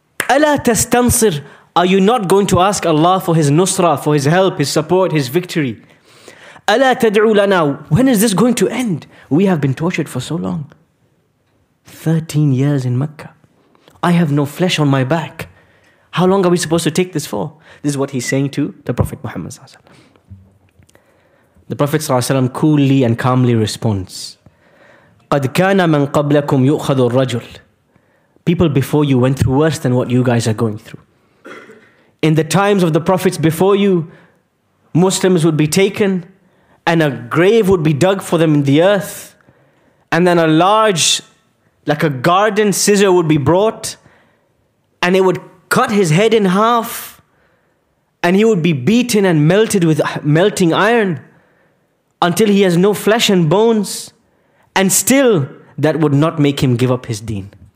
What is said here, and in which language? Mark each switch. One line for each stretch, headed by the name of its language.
Arabic: Ala tastansir,
English: are you not going to ask Allah for his nusra, for his help, his support, his victory?
Arabic: Ala tad'u lana,
English: when is this going to end? We have been tortured for so long. 13 years in Mecca. I have no flesh on my back. How long are we supposed to take this for? This is what he's saying to the Prophet Muhammad sallallahu alaihi wasallam. The Prophet ﷺ coolly and calmly responds,
Arabic: قَدْ كَانَ مَنْ قَبْلَكُمْ يُؤْخَذُ الرَّجُلُ.
English: People before you went through worse than what you guys are going through. In the times of the Prophets before you, Muslims would be taken, and a grave would be dug for them in the earth, and then a large, like a garden scissor would be brought, and it would cut his head in half, and he would be beaten and melted with melting iron, until he has no flesh and bones, and still that would not make him give up his deen.